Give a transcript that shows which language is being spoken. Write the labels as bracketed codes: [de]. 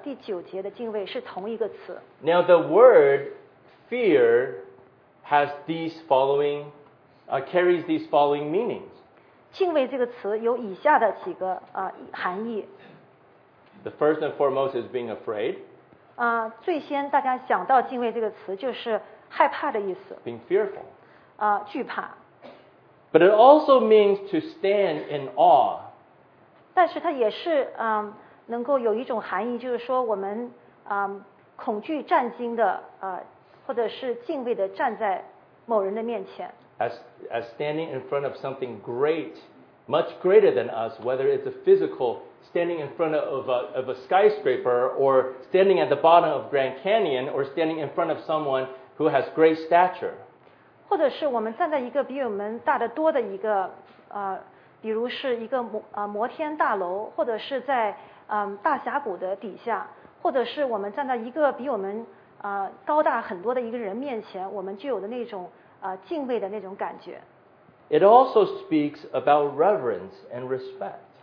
[zh] 这里的两个敬畏都是和我们今天的十九章的第九节的敬畏是同一个词。 [en] Now the word fear has these following, carries these following meanings. [zh] 敬畏这个词有以下的几个,含义。 [en] The first and foremost is being afraid. [zh] 最先大家想到敬畏这个词就是害怕的意思。 [en] Being fearful. [zh] 惧怕。 [en] But it also means to stand in awe. [zh] 但是它也是, 能够有一种含义就是说我们, 恐惧战惊的, 或者是敬畏的站在某人的面前。 [en] As standing in front of something great, much greater than us, whether it's a physical, standing in front of a skyscraper, or standing at the bottom of Grand Canyon, or standing in front of someone who has great stature. [zh] 或者是我们站在一个比我们大得多的一个, 比如是一个摩天大楼, 或者是在, 大峡谷的底下, 或者是我们站在一个比我们 高大很多的一个人面前, 我们具有的那种, 敬畏的那种感觉。 [en] It also speaks about reverence and respect.